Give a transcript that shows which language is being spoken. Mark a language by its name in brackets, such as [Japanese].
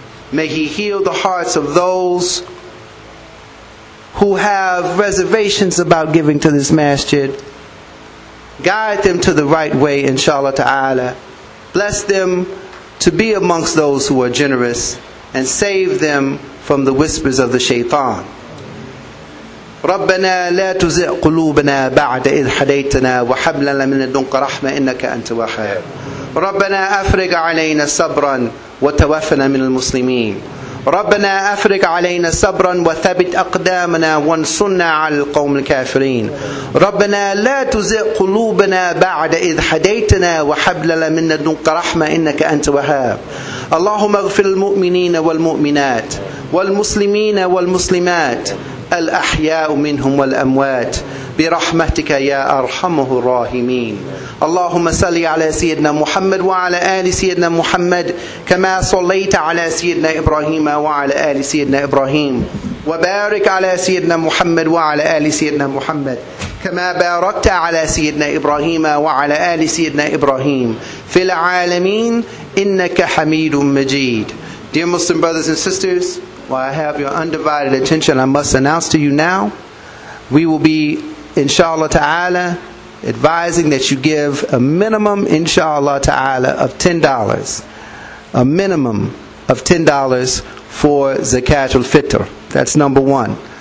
[English] May He heal the hearts of those who have reservations about giving to this masjid. Guide them to the right way, inshallah ta'ala. Bless them to be amongst those who are generous and save them from the whispers of the shaitan. [Arabic] ربنا لا تزغ قلوبنا بعد إذ هديتنا وهب لنا من لدنك رحمة إنك أنت الوهاب. ربنا أفرج علينا صبرا وتوفنا من المسلمين. ربنا أفرج علينا صبرا وثبت أقدامنا وانصرنا على القوم الكافرين. ربنا لا تزغ قلوبنا بعد إذ هديتنا وهب لنا من لدنك رحمة إنك أنت الوهاب. اللهم اغفر المؤمنين والمؤمنات والمسلمين والمسلمات الأحياء منهم والأموات برحمتك يا أرحم الراحمين. اللهم صل على سيدنا محمد وعلى آل سيدنا محمد كما صليت على سيدنا إبراهيم وعلى آل سيدنا إبراهيم، وبارك على سيدنا محمد وعلى آل سيدنا محمد كما باركت على سيدنا إبراهيم وعلى آل سيدنا إبراهيم في العالمين إنك حميد مجيد. [English] Dear Muslim brothers and sisters, while I have your undivided attention, I must announce to you now, we will be, inshallah ta'ala, advising that you give a minimum, inshallah ta'ala, of $10. A minimum of $10 for Zakat al-Fitr. That's number one.